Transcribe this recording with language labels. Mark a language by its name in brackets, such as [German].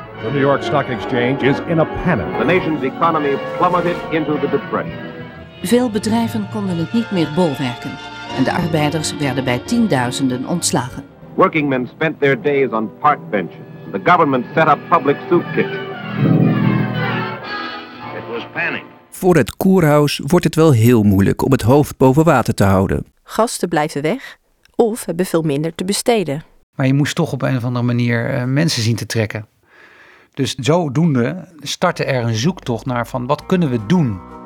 [English] The New York Stock Exchange is in a panic. The nation's economy plummeted into the depression. [Dutch] Veel bedrijven konden het niet meer bolwerken. En de arbeiders werden bij tienduizenden ontslagen. [English] Working men spent their days on park benches. The government set up public soup kitchens. [Dutch] Voor het Kurhaus wordt het wel heel moeilijk om het hoofd boven water te houden. Gasten blijven weg of hebben veel minder te besteden. Maar je moest toch op een of andere manier mensen zien te trekken. Dus zodoende startte er een zoektocht naar van wat kunnen we doen?